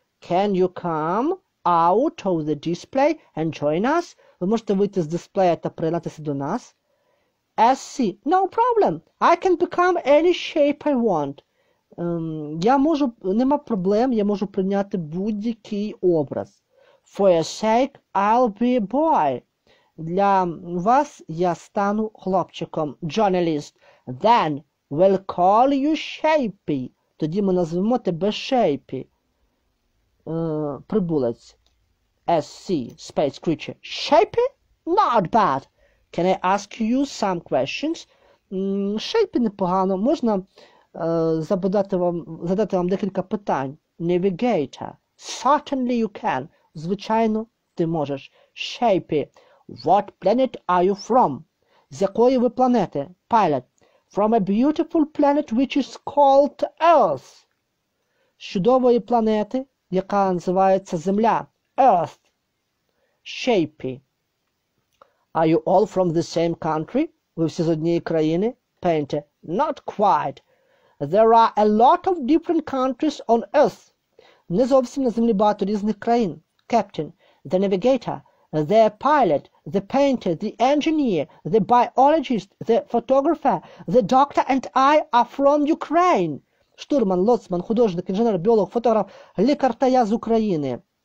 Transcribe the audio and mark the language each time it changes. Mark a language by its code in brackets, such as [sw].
[en] Can you come out of the display and join us? [uk] Ви можете вийти з дисплея та приєднатися до нас? [en] SC. No problem. I can become any shape I want. [uk] Я можу, нема проблем, я можу прийняти будь-який образ. [en] For your sake, I'll be a boy. [uk] Для вас я стану хлопчиком. [en] Journalist. Then we'll call you Shapey. [uk] Тоді ми назвемо тебе Shapey. Прибулець. [en] SC. Space creature. Shapey? Not bad. Can I ask you some questions? [uk] Shapey непогано. Можна задати вам декілька питань. [en] Navigator. Certainly you can. [uk] Звичайно, ти можеш. [en] Shapey. What planet are you from? [uk] З якої ви планети? [en] Pilot. From a beautiful planet which is called Earth. [uk] З чудової планети, яка називається Земля. [en] Earth. Shapey. Are you all from the same country? [uk] Ви всі з однієї країни? [en] Painter. Not quite. There are a lot of different countries on Earth. [uk] Не зовсім, на Землі багато різних країн. [en] Captain. The navigator. The pilot. The painter. The engineer. The biologist. The photographer. The doctor and I are from Ukraine. [uk] Штурман, лоцман, художник, інженер, біолог, фотограф, лікар та я з України.